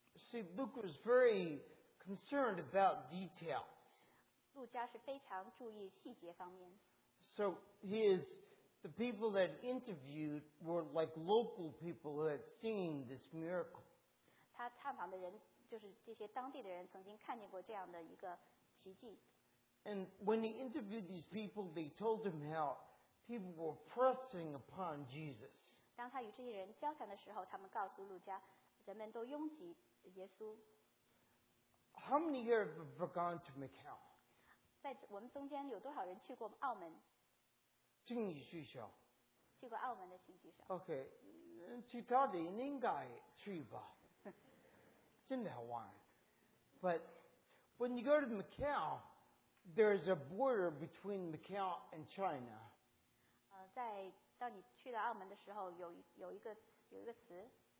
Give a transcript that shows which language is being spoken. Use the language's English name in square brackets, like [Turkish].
[English] See, Luke was very concerned about details. [Chinese] 路加是非常注意细节方面。 [English] So his, the people that interviewed were like local people who had seen this miracle. [Chinese] 他探访的人就是这些当地的人曾经看见过这样的一个奇迹。 [English] And when he interviewed these people, they told him how people were pressing upon Jesus. [Chinese] 当他与这些人交谈的时候，他们告诉路加，人们都拥挤耶稣。 [English] How many here have ever gone to Macau? [Chinese] 在我们中间有多少人去过澳门？请你举手。去过澳门的请举手。 OK， 其他的应该去吧，真的好玩。 [English] But when you go to Macau. There is a border between Macau and China. [Chinese] 在当你去了澳门的时候，有一个词。